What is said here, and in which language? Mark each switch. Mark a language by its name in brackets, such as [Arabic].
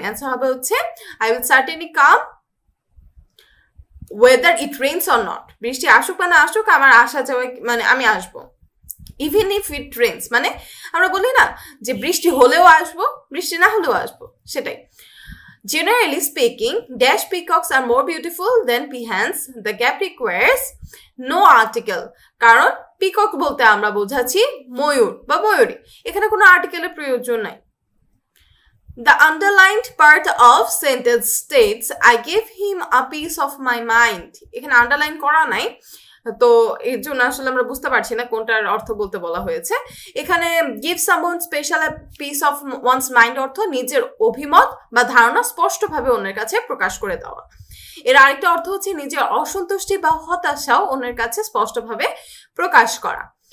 [Bangla] Answer হবে হচ্ছে [English] I will certainly come whether it rains or not, [Bangla] বৃষ্টি আসুক বা না আসুক আমার আসা যাওয়া মানে আমি আসবো। [English] even if it rains [Bangla] মানে আমরা বলি না যে বৃষ্টি হলেও আসবো, বৃষ্টি না হলেও আসবো, সেটাই। [English] Generally speaking, dash peacocks are more beautiful than peahens. The gap requires no article. [Bangla] কারণ পিকক বলতে আমরা বোঝাচ্ছি ময়ূর বা ময়ূরি, এখানে কোনো আর্টিকেলের প্রয়োজন নাই। [English] The underlined part of sentence states, I gave him a piece of my mind. [Bangla] এখানে আন্ডারলাইন করা নাই, তো এর জন্য আসলে আমরা বুঝতে পারছি না কোনটার অর্থ বলতে বলা হয়েছে। এখানে [English] give someone special piece of one's mind [Bangla] অর্থ নিজের অভিমত বা ধারণা স্পষ্টভাবে অন্যের কাছে প্রকাশ করে দেওয়া। এর আরেকটা অর্থ হচ্ছে নিজের অসন্তুষ্টি বা হতাশাও অন্যের কাছে স্পষ্টভাবে প্রকাশ করা।